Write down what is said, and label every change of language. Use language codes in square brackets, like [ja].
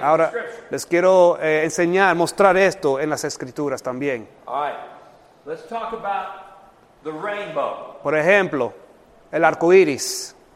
[es] Ahora, les quiero enseñar, mostrar esto en las Escrituras también. [en] All right, let's talk about the rainbow. [es] Por ejemplo, el arco iris.